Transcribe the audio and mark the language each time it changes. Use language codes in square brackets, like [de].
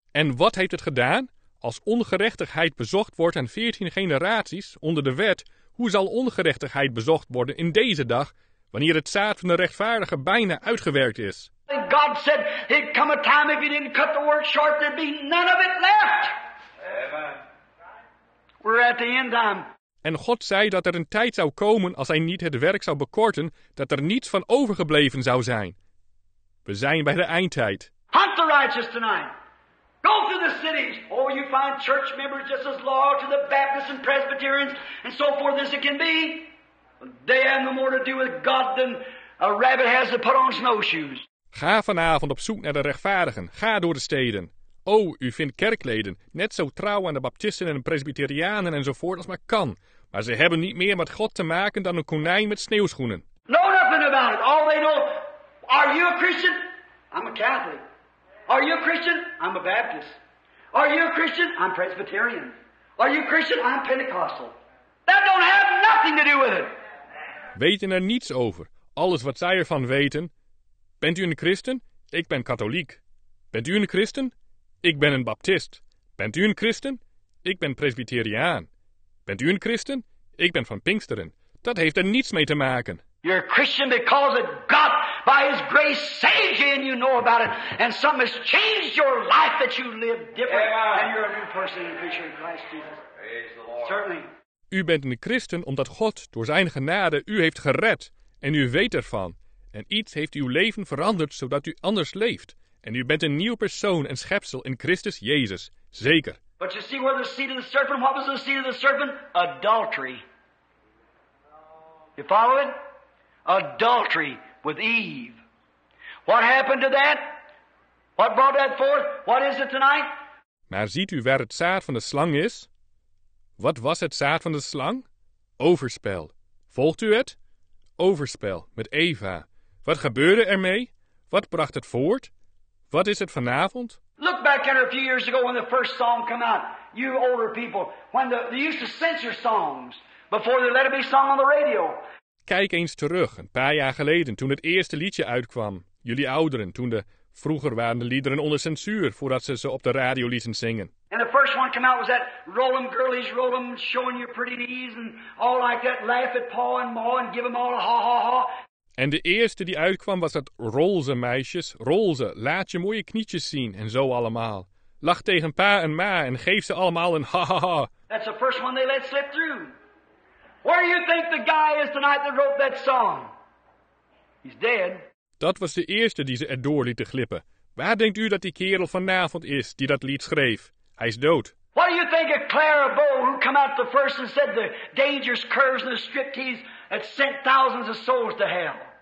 [nl] En wat heeft het gedaan? Als ongerechtigheid bezocht wordt aan 14 generaties onder de wet, hoe zal ongerechtigheid bezocht worden in deze dag, wanneer het zaad van de rechtvaardige bijna uitgewerkt is? [en] And God said, it'd come a time if you didn't cut the work short, there'd be none of it left. Amen. We're at the end time. [nl] En God zei dat een tijd zou komen als hij niet het werk zou bekorten, dat niets van overgebleven zou zijn. We zijn bij de eindtijd. [en] Hunt the righteous tonight. Go through the cities. Oh, you find church members just as loyal to the Baptists and Presbyterians and so forth as it can be. They have no more to do with God than a rabbit has to put on snowshoes. [nl] Ga vanavond op zoek naar de rechtvaardigen. Ga door de steden. O, u vindt kerkleden net zo trouw aan de baptisten en presbyterianen enzovoort als maar kan. Maar ze hebben niet meer met God te maken dan een konijn met sneeuwschoenen. [en] Know nothing about it. All they know... Are you a Christian? I'm a Catholic. Are you a Christian? I'm a Baptist. Are you a Christian? I'm Presbyterian. Are you a Christian? I'm Pentecostal. That don't have nothing to do with it. [nl] Weten niets over. Alles wat zij ervan weten... Bent u een christen? Ik ben katholiek. Bent u een christen? Ik ben een baptist. Bent u een christen? Ik ben presbyteriaan. Bent u een christen? Ik ben van Pinksteren. Dat heeft niets mee te maken. [en] You're a Christian because of God by his grace saved you and you know about it. And something has changed your life that you live different. Amen. And you're a new person in the picture of Christ Jesus. Praise the Lord. Certainly. [nl] U bent een christen omdat God door zijn genade u heeft gered en u weet ervan. En iets heeft uw leven veranderd, zodat u anders leeft. En u bent een nieuw persoon en schepsel in Christus Jezus. Zeker. [en] But you see where the seed of the serpent, what was the seed of the serpent? Adultery. You follow it? Adultery with Eve. What happened to that? What brought that forth? What is it tonight? [nl] Maar ziet u waar het zaad van de slang is? Wat was het zaad van de slang? Overspel. Volgt u het? Overspel met Eva. Wat gebeurde ermee? Wat bracht het voort? Wat is het vanavond? [en] Look back at a few years ago when the first song came out. You older people, when they used to censor songs before they let it be sung on the radio. [nl] Kijk eens terug, een paar jaar geleden toen het eerste liedje uitkwam. Jullie ouderen, toen de vroeger waren de liederen onder censuur voordat ze op de radio lieten zingen. [en] And the first one came out was that Roll'em girlies, Roll'em showing your pretty knees and all like that. Laugh at Pa and Ma and give them all a ha ha ha. [nl] En de eerste die uitkwam was dat Rolze meisjes. Rolze, laat je mooie knietjes zien en zo allemaal. Lach tegen pa en ma en geef ze allemaal een ha ha ha. [en] That's the first one they let slip through. Where do you think the guy is tonight that wrote that song? He's dead. [nl] Dat was de eerste die ze erdoor lieten glippen. Waar denkt u dat die kerel vanavond is die dat lied schreef? Hij is dood. [en] What do you think of Clara Bow who came out the first and said the dangerous curves and the striptease that sent thousands of souls to hell?